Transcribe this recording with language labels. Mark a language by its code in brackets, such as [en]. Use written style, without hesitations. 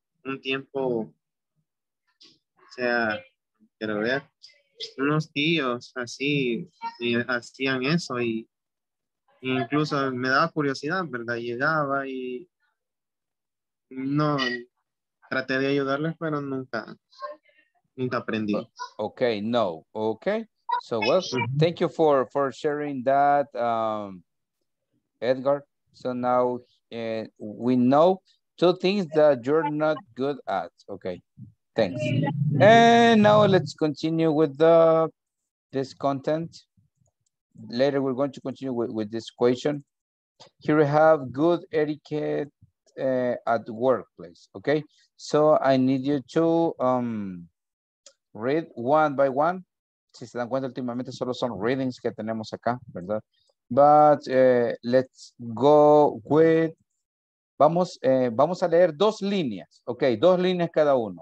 [es] Un tiempo, o sea, quiero ver, unos tíos así hacían eso y incluso me daba curiosidad, ¿verdad? Llegaba y no, traté de ayudarles, pero nunca aprendí. [en] Okay, no, okay. So, well, thank you for sharing that, Edgar. So now we know two things that you're not good at. Okay, Thanks. And now let's continue with the this content. Later, we're going to continue with this question. Here we have good etiquette at workplace. Okay, so I need you to read one by one. [es] Si se dan cuenta, últimamente solo son readings que tenemos acá, ¿verdad? [en] But let's go with. [es] Vamos, vamos a leer dos líneas, ok, dos líneas cada uno.